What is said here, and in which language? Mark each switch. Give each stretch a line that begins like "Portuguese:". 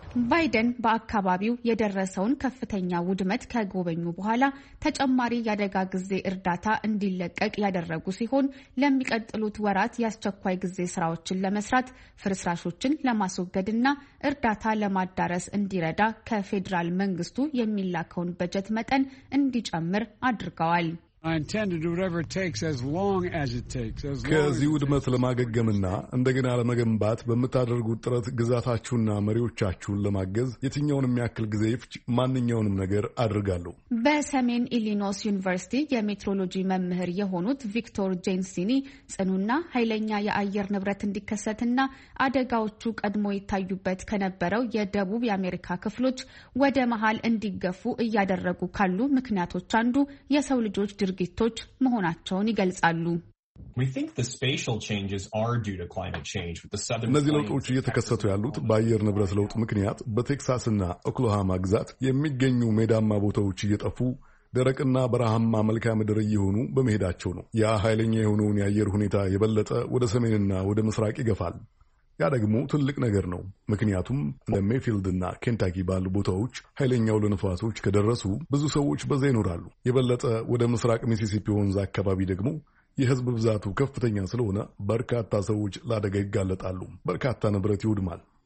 Amharic: ባይደን በአካባቢው የደረሰውን ከፍተኛ ውድመት ከጎበኙ በኋላ ተጨማሪ ያደጋ ጊዜ እርዳታ እንዲለቀቅ ያደረጉ ሲሆን ለሚቀጥሉት ወራት ያስቸኳይ ጊዜ ስራዎችን ለመስራት፣ ፍርስራሾችን ለማስወገድና እርዳታ ለማዳረስ እንዲረዳ ከፌደራል መንግስቱ የሚላከውን በጀት መጠን እንዲጨምር አድርገዋል።
English: I intend to do whatever it takes as long as it takes.
Amharic: ከዚህ ውድመት ለማገገምና እንደገና ለመገንባት በመታደርጉት ጥረት ግዛታችሁና መሪዎቻችሁን ለማገዝ የትኛውንም ያክል ጊዜ ይፍጅ ማንኛውንም ነገር አድርጋለሁ። በሰሜን ኢሊኖይስ ዩኒቨርሲቲ የሜትሮሎጂ መምህር የሆኑት ቪክቶር ጄንሲኒ ጽኑና ኃይለኛ የአየር ንብረት እንዲከሰትና አደጋዎቹ ቀድሞ ይታዩበት ከነበረው የደቡብ አሜሪካ ክፍሎች ወደ መሃል እንዲገፉ እያደረጉ ካሉ ምክንያቶች አንዱ የሰው ልጆች ድርጊቶች መሆናቸውን ይገልጻሉ።
English: We think the spatial changes are due to climate change with the southern
Amharic: ነዚህ ለውጦች እየተከሰቱ ያሉት በአየር ንብረት ለውጥ ምክንያት በቴክሳስና ኦክላሆማ ግዛት የሚገኙ ሜዳማ ቦታዎች እየጠፉ ደረቅና በረሃማ መልክዓ ምድር እየሆኑ በመሄዳቸው ነው። ያ ኃይለኛ የሆነውን የአየር ሁኔታ የበለጠ ወደ ሰሜንና ወደ ምስራቅ ይገፋል። ያ ደግሞ ትልቅ ነገር ነው። ምክንያቱም እንደ ሜፊልድ እና ኬንታኪ ባሉ ቦታዎች ኃይለኛው ለንፋሶች ከደረሱ ብዙ ሰዎች በዛ ይኖራሉ። የበለጠ ወደ ምስራቅ ሚሲሲፒ ወንዝ አካባቢ ደግሞ የህዝብ ብዛቱ ከፍተኛ ስለሆነ በርካታ ሰዎች ለአደጋ ይጋለጣሉ። በርካታ ንብረት ይውድማል።